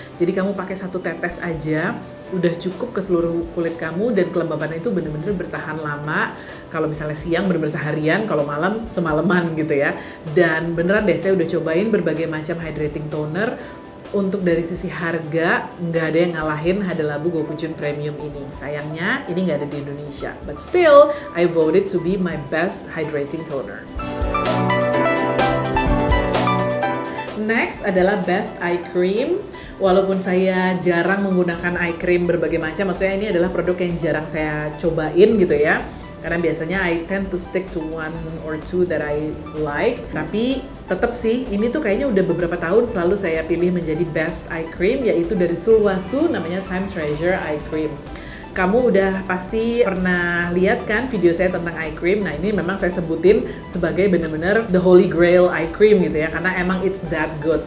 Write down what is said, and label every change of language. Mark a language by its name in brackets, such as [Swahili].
[Indonesian] Jadi kamu pakai satu tetes aja, udah cukup ke seluruh kulit kamu dan kelembabannya itu bener-bener bertahan lama. Kalau misalnya siang bener-bener seharian, kalau malam semaleman gitu ya. Dan beneran deh, saya udah cobain berbagai macam hydrating toner. Untuk dari sisi harga, nggak ada yang ngalahin Hadalabo Gokujun Premium ini. Sayangnya, ini nggak ada di Indonesia. [English] But still, I voted to be my best hydrating toner. [Indonesian] Next adalah best eye cream. Walaupun saya jarang menggunakan eye cream berbagai macam, maksudnya ini adalah produk yang jarang saya cobain gitu ya. Karena biasanya [English] I tend to stick to one or two that I like. [Indonesian] Tapi tetap sih, ini tuh kayaknya udah beberapa tahun selalu saya pilih menjadi best eye cream, yaitu dari Sulwhasoo, namanya Time Treasure Eye Cream. Kamu udah pasti pernah lihat kan video saya tentang eye cream. Nah, ini memang saya sebutin sebagai benar-benar [English] the holy grail eye cream [Indonesian] gitu ya, karena emang [English] it's that good.